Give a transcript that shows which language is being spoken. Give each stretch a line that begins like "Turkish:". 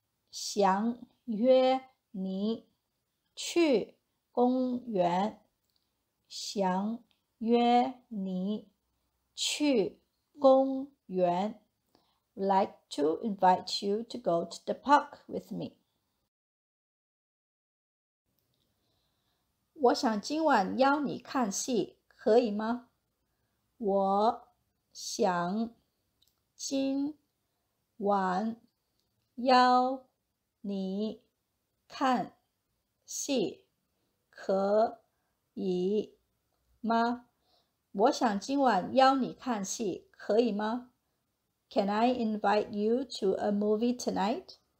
Chinese: 想约你去公园。想约你去公园。
English: Would like to invite you to go to the park with me.
Chinese: 我想今晚邀你看戏，可以吗？我想今晚邀你看戏，可以吗？我想今晚邀你看戏，可以吗？
English: Can I invite you to a movie tonight?